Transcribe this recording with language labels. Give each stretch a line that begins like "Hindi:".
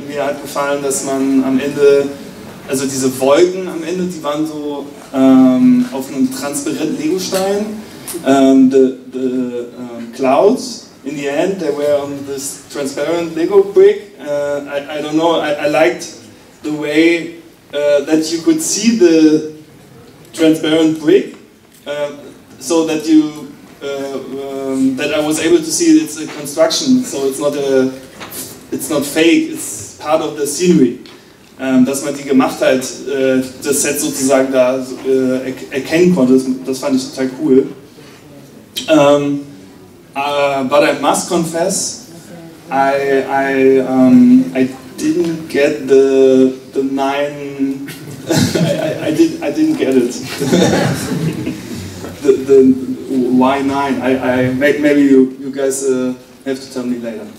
German: Mir hat gefallen, dass man am Ende, also diese Wolken am Ende, die waren so auf einem transparenten Legostein.
English: The clouds in the end, they were on this transparent Lego brick. I don't know, I liked the way that you could see the transparent brick so that you that I was able to see it's a construction, so it's not fake, it's part of the scenery.
German: Dass man die Gemachtheit des Sets sozusagen da erkennen konnte, das fand ich total cool.
English: But I must confess, I didn't get the nine. I didn't get it. the why nine? I maybe you guys have to tell me later.